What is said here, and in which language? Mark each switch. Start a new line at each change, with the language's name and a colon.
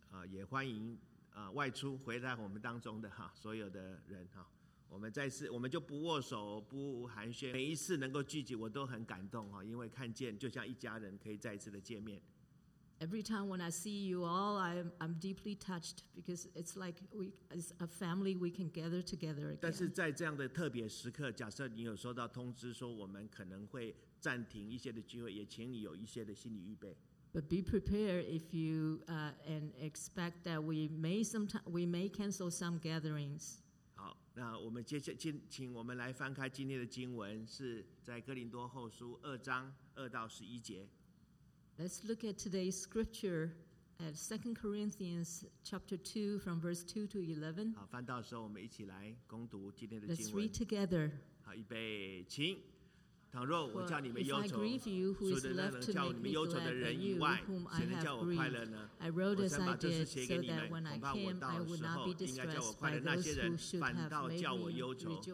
Chinese: 也欢迎外出回来我们当中的哈所有的人哈。我们再次，我们就不握手，不寒暄。每一次能够聚集，我都很感动哈，因为看见就像一家人可以再一次的见面。
English: Every time when I see you all, I'm deeply touched because it's like we as a family we can gather together again.
Chinese: 但是在这样的特别时刻，假设你有收到通知说我们可能会暂停一些的聚会，也请你有一些的心理预备。
English: But be prepared if you and expect that we may cancel some gatherings.
Chinese: 好，那我们接下来请我们来翻开今天的经文，是在哥林多后书二章二到十一节。
English: Let's look at today's scripture at 2 Corinthians chapter 2 from verse 2 to 11.
Chinese: 好，翻到的时候我们一起来攻读今天的经
English: 文。Let's read together.
Chinese: 好，预备，请。倘若我叫你们忧愁，除了那能叫你们忧愁的人以外，谁能叫我快乐呢？我想把这事写给你们，恐怕我到的时候应该叫我快乐，那些人反倒叫我忧愁。